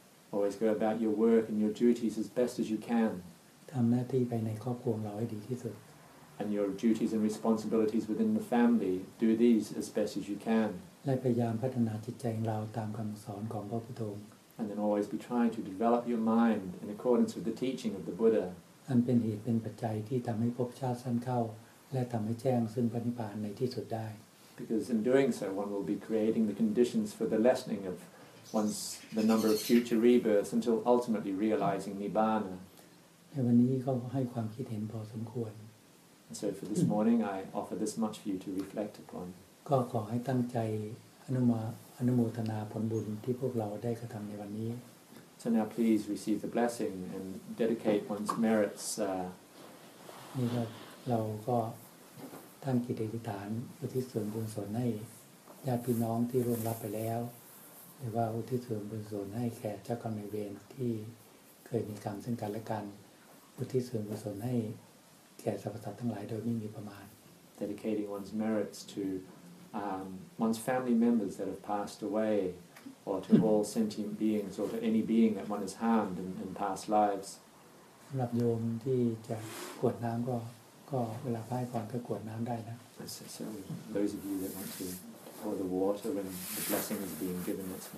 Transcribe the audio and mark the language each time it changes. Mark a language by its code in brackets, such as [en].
[en] Always go about your work and your duties as best as you can. And your duties and responsibilities within the family, do these as best as you can. And then always be trying to develop your mind in accordance with the teaching of the Buddha. [th] อันเป็นเหตุเป็นปัจจัยที่ทำให้ภพชาติสั้นเข้าและทำให้แจ้งซึ่งพระนิพพานในที่สุดได้ [en] Because in doing so one will be creating the conditions for the lessening of one's the number of future rebirths until ultimately realizing nibbana [th] ในวันนี้ก็ให้ความคิดเห็นพอสมควร [en] So for this morning I offer this much for you to reflect upon [th] ก็ขอให้ตั้งใจอนุโมทนาผลบุญที่พวกเราได้กระทำในวันนี้ [en] So now please receive the blessing and dedicate one's merits. [th] นี่ครับเราก็ตั้งกิจอธิษฐานอุทิศส่วนบุญส่วนให้ญาติพี่น้องที่ร่วมรับไปแล้วหรือว่าอุทิศส่วนบุญส่วนให้แก่เจ้ากรรมนายเวรที่เคยมีกรรมซึ่งกันและกันอุทิศส่วนบุญส่วนให้แก่สรรพสัตว์ทั้งหลายโดยไม่มีประมาณ [en] Dedicating one's merits to one's family members that have passed awayor to all sentient beings or to any being that one has harmed in past lives [th] สําหรับโยมที่จะกวดน้ําก็เวลาพระให้พรก็กวดน้ําได้นะ [en] so those of you that want to pour the water when the blessing is being given that's